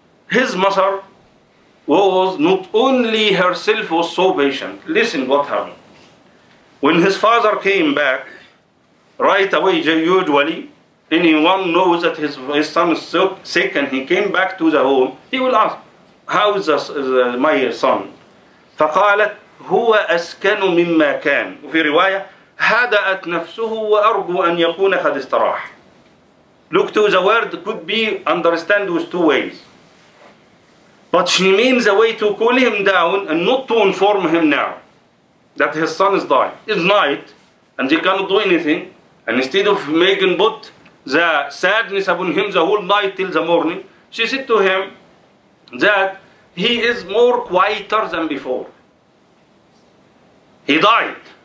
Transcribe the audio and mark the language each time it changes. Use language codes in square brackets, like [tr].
[en] His mother was not only herself was so patient. Listen what happened. When his father came back, right away, usually, anyone knows that his son is so sick and he came back to the home, he will ask, how is my son? [ar] فقالت هو أسكن مما كان. وفي رواية هدأت نفسه وأرجو أن يكون قد استراح. [en] Look to the word could be understand with two ways. But she means a way to cool him down and not to inform him now that his son is dying. It's night and they cannot do anything. And instead of making put the sadness upon him the whole night till the morning, she said to him that he is more quieter than before. He died.